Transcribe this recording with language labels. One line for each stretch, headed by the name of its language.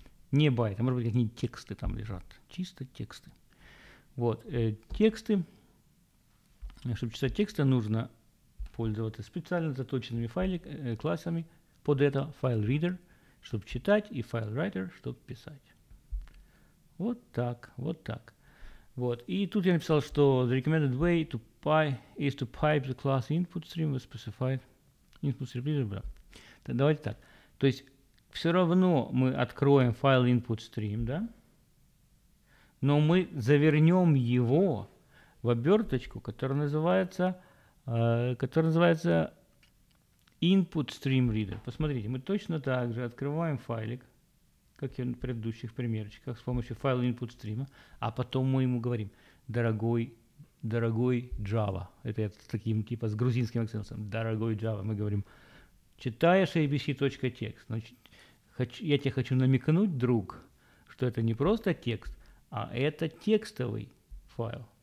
Russian: Не байты, может быть, какие-нибудь тексты там лежат. Чисто тексты. Вот, тексты. Чтобы читать тексты, нужно пользоваться специально заточенными классами под это FileReader, чтобы читать, и FileWriter, чтобы писать. Вот так, вот так. Вот. И тут я написал, что
English: the recommended way to is to pipe the class InputStream with specified InputStream.
Russian: Так, давайте так. То есть все равно мы откроем файл InputStream, да? Но мы завернем его в оберточку, которая называется Input Stream Reader. Посмотрите, мы точно так же открываем файлик, как и в предыдущих примерчиках, с помощью файла Input Stream, а потом мы ему говорим, дорогой Java, это я таким типа с грузинским акцентом, дорогой Java, мы говорим, читаешь abc.txt, значит, я тебе хочу намекнуть, друг, что это не просто текст, а это текстовый файл.